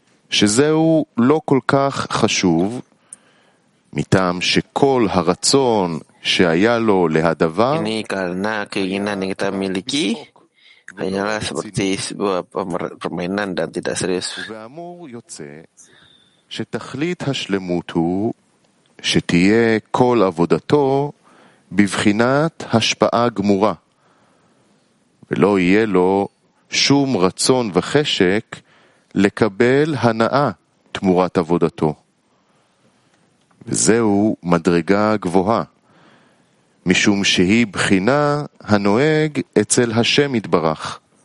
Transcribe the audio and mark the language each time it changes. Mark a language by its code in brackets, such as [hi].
[he] שזהו לא כל כך חשוב, מטעם שכל הרצון שהיה לו להדבר [id] ini karena keinginan yang kita miliki hanyalah seperti sebuah permainan dan tidak serius. [he] ואמור יוצא שתכלית השלמות הוא שתהיה כל עבודתו בבחינת השפעה גמורה ולא יהיה לו שום רצון וחשק לקבל הנאה תמורת עבודתו וזהו מדרגה גבוהה משום שהיא בחינה הנוהג אצל השם יתברך.